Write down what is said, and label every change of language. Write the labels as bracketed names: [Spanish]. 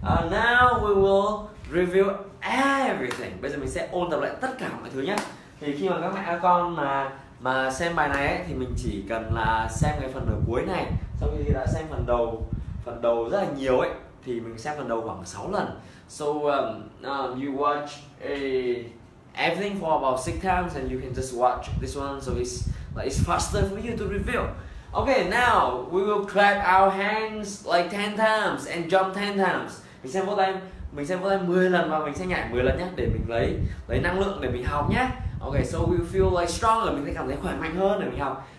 [English] Now we will review everything. [Vietnamese] Bây giờ mình sẽ ôn tập lại tất cả mọi thứ nhé. Thì khi mà các mẹ các con mà xem bài này ấy, thì mình chỉ cần là xem cái phần ở cuối này. Sau khi đã xem phần đầu rất là nhiều ấy, thì mình xem phần đầu khoảng 6 lần. [English] So you watch everything for about 6 times and you can just watch this one. So it's faster for you to review. Okay, now we will clap our hands like 10 times and jump 10 times. [Vietnamese] Mình xem vô tay 10 lần và mình sẽ nhảy 10 lần nhé. Để mình lấy năng lượng để mình học nhé. [English] Okay, so we feel like stronger. [Vietnamese] Mình sẽ cảm thấy khỏe mạnh hơn để mình học.